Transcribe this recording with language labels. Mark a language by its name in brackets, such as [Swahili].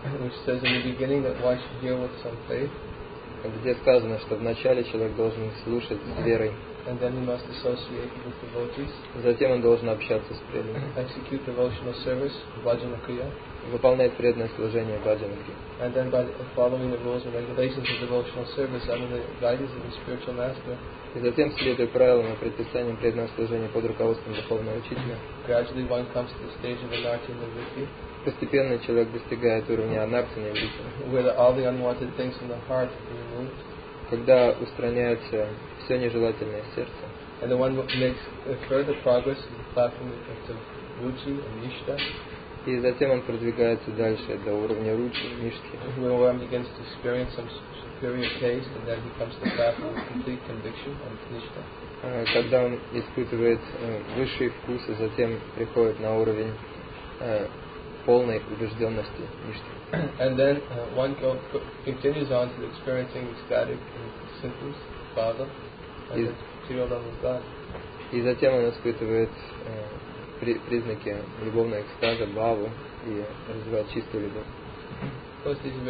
[English] which says in the beginning that one should hear with some faith, [Russian] где сказано, что вначале человек должен слушать с верой, [English] and then he must associate with devotees, [Russian] затем он должен общаться с преданными, [English] execute devotional service, bhajana kriya, [Russian] выполнять преданное служение bhajana kriya, [English] and then by following the rules and regulations of devotional service under the guidance of the spiritual master. [Russian] И затем, следуя правилам и предписаниям преданного служения под руководством духовного учителя, [English] gradually one comes to the stage of anarthana vritti, [Russian] постепенно человек достигает уровня анарцины вритти, [English] where all the unwanted things from the heart are removed, [Russian] когда устраняется все нежелательное сердце, [English] and one makes further progress in the platform of ruchi and nishtha, [Russian] и затем он продвигается дальше до уровня ручи и нишки, [English] where one begins to experience some superior taste, and then he comes to the platform of complete conviction and nishtha. [Russian] Когда он испытывает высший вкус, и затем приходит на уровень полной убежденности ништы. [English] And then one continues on to experiencing ecstatic symptoms, father, and the material level of God. [Russian] И затем он испытывает признаки любовной экстаза, бхаву, и развивает чистую любовь.